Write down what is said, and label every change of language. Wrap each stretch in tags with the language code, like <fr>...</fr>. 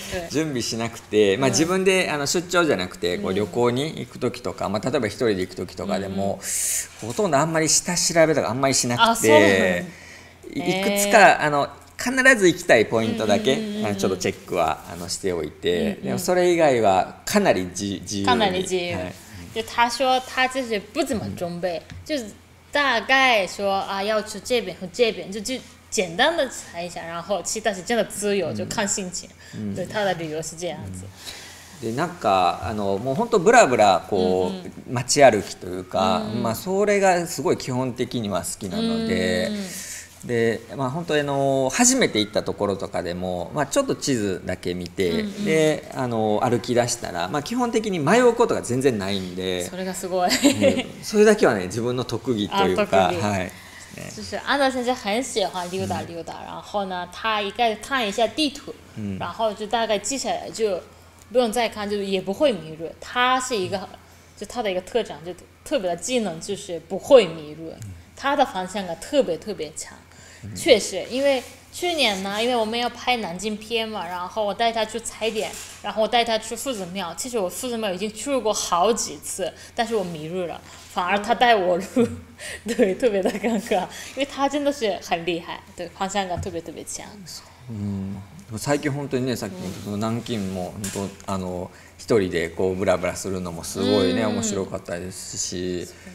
<ja>準備しなくて、まあ、自分で出張じゃなくてこう旅行に行くときとか、まあ、例えば一人で行くときとかでも、ほとんどあんまり下調べとかあんまりしなくて、いくつか必ず行きたいポイントだけちょっとチェックはしておいて、でもそれ以外はかなり自由に。かなり自由。</ja> <zh>はい、就他说他就是不怎么准备，就是大概说啊要去这边和这边，就简单的查一下，然后其他是真的自由，就看心情。对，他的旅游是这样子。</zh> <ja>でなんかもう本当ブラブラこう街歩きというか、まあそれがすごい基本的には好きなので。でまあ、本当に初めて行ったところとかでも、まあ、ちょっと地図だけ見て、で歩き出したら、まあ、基本的に迷うことが全然ないんで、それがすごい、それだけはね自分の特技というか、はい、</ja> <zh>就是安达先生很喜欢溜达溜达，然后呢他一概看一下地图，然后就大概记下来，就不用再看，就也不会迷路。他是一个就他的一个特长，就特别的技能就是不会迷路。他的方向感特别特别强，确实，因为去年呢，因为我们要拍南京片嘛，然后我带他去踩点，然后我带他去夫子庙。其实我夫子庙已经去过好几次，但是我迷路了，反而他带我路，对，特别的尴尬，因为他真的是很厉害，对，方向感特别特别强。</zh> <ja>最近本当にね、さっきの南京も本当一人でこうブラブラするのもすごいね、面白かったですし。</ja>